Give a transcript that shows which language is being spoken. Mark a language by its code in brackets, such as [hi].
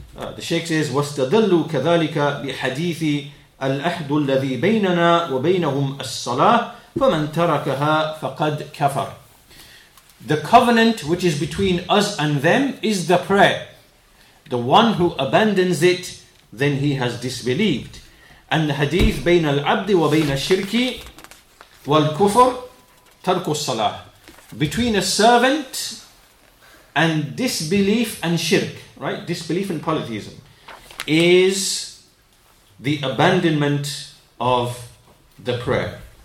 [en] The Shaykh says, [ar] وَاسْتَدَلُّوا كَذَلِكَ بِحَدِيثِ الْأَحْدُ الَّذِي بَيْنَنَا وَبَيْنَهُمْ الصَّلَاةِ فَمَنْ تَرَكَهَا فَقَدْ كَفَرْ. [en] The covenant which is between us and them is the prayer. The one who abandons it, then he has disbelieved. And the hadith, [ar] بين العبد وبين الشرك والكفر ترك الصلاة. [en] Between a servant and disbelief and shirk, right? Disbelief and polytheism is the abandonment of the prayer.